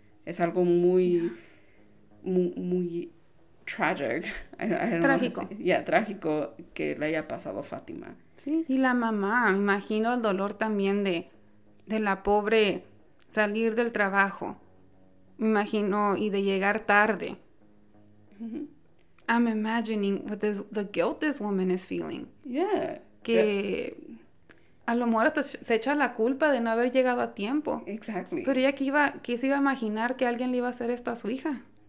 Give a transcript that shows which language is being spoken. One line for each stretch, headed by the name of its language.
Spanish: Es algo muy, muy tragic. Trágico. Trágico que le haya pasado a Fátima. Sí, y la mamá, me imagino el dolor también de la pobre salir del trabajo. Me imagino, y de llegar tarde.
English: I'm imagining what the guilt this woman is feeling. Yeah.
Spanish: Que a lo mejor hasta se echa la culpa de no haber llegado a tiempo.
English: Exactly.
Spanish: Pero ella que se iba a imaginar que alguien le iba a hacer esto a su hija.